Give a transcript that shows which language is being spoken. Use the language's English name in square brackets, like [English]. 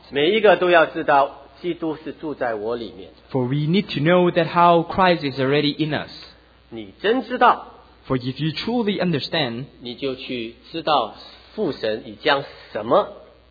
[Chinese] 每一个都要知道基督是住在我里面, [English] for we need to know that how Christ is already in us. [Chinese] 你真知道, [English] for if you truly understand, [Chinese] 你就去知道父神已将什么